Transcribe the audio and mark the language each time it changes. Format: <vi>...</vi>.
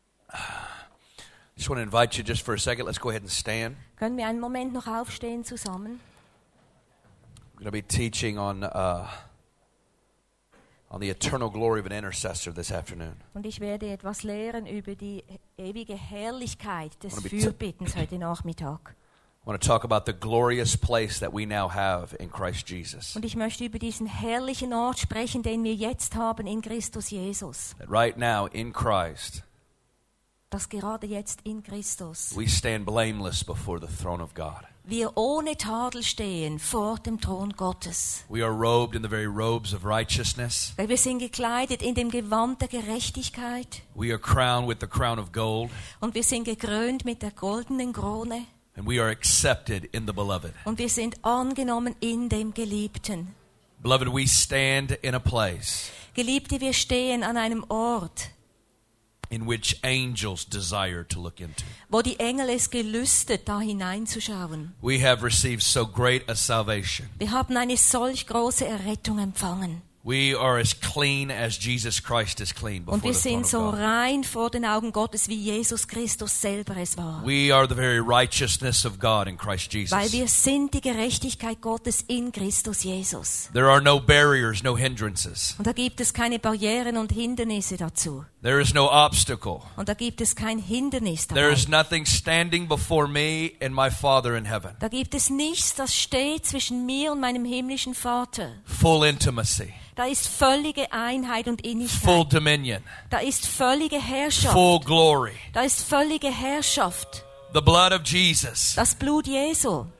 <en>I just want to invite you just for a second. Let's go ahead and stand.</en> <de>Können wir einen Moment noch aufstehen zusammen?</de> <en>I'm going to be teaching on the eternal glory of an intercessor this afternoon.</en> <de>Und ich werde etwas lehren über die ewige Herrlichkeit des Fürbittens heute Nachmittag.</de> <en>I want to talk about the glorious place that we now have in Christ Jesus.</en> <de>Und ich möchte über diesen herrlichen Ort sprechen, den wir jetzt haben in Christus Jesus.</de> <en>That right now in Christ.</en> <de>Dass gerade jetzt in Christus.</de> <en>We stand blameless before the throne of God.</en> <de>Wir ohne Tadel stehen vor dem Thron Gottes.</de> <en>We are robed in the very robes of righteousness.</en> <de>Weil wir sind gekleidet in dem Gewand der Gerechtigkeit.</de> <en>We are crowned with the crown of gold.</en> <de>Und wir sind gekrönt mit der goldenen Krone.</de> <en>And we are accepted in the Beloved.</en> <de>Und wir sind angenommen in dem Geliebten.</de> <en>Beloved, we stand in a place.</en> <de>Geliebte, wir stehen an einem Ort.</de> <en>In which angels desire to look into.</en> <de>Wo die Engel es gelüstet, da hineinzuschauen.</de> <en>We have received so great a salvation.</en> <de>Wir haben eine solch große Errettung empfangen.</de> <en>We are as clean as Jesus Christ is clean before the throne</en> <de>Und wir sind so rein vor den Augen Gottes, wie Jesus Christus selber es war.</de> <en>We are the very righteousness of God in Christ Jesus.</en> <de>Weil wir sind die Gerechtigkeit Gottes in Christus Jesus.</de> <en>There are no barriers, no hindrances.</en> <de>Und da gibt es keine Barrieren und Hindernisse dazu.</de> <en>There is no obstacle.</en> <de>Und da gibt es kein Hindernis dabei.</de> <en>There is nothing standing before me and my Father in heaven.</en> <de>Da gibt es nichts, das steht zwischen mir und meinem himmlischen Vater.</de> <en>Full intimacy.</en> <de>Da ist völlige Einheit und Innigkeit.</de> <en>Full dominion.</en> <de>Da ist völlige Herrschaft.</de> <en>Full glory.</en> <de>Da ist völlige Herrschaft.</de> <en>The blood of Jesus.</en> <de>Das Blut Jesu.</de>